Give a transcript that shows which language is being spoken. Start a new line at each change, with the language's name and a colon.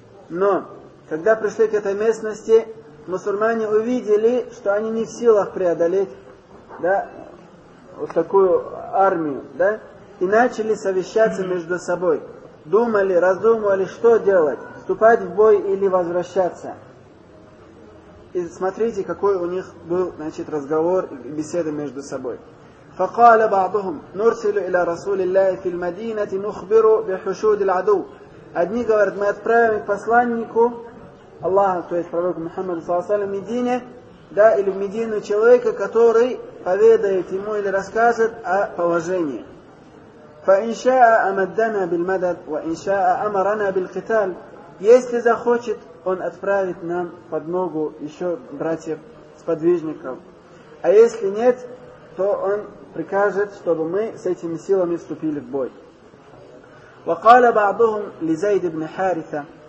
Russian: Но когда пришли к этой местности, мусульмане увидели, что они не в силах преодолеть, да, вот такую армию, да, и начали совещаться между собой. Думали, раздумывали, что делать, вступать в бой или возвращаться. И смотрите, какой у них был, значит, разговор и беседа между собой.
Arabic: فقال بعضهم نرسل الى رسول الله في المدينه نخبر بحشود العدو.
Russian: Одни говорят, мы отправим к посланнику Аллаха, то есть пророку Мухаммаду саллаллаху алейхи ва саллям, в Медине, да, или в Медину человека, который поведает ему или расскажет о положении.
Arabic: فان شاء امدنا بالمدد وان شاء امرنا بالقتال.
Russian: Если захочет, он отправит нам под ногу ещё братьев сподвижников. А если нет, то он прикажет, чтобы мы с этими силами вступили в бой.
Arabic: وَقَالَ بَعْضُهُمْ لِزَيْدِ بْنِ حَارِثَ.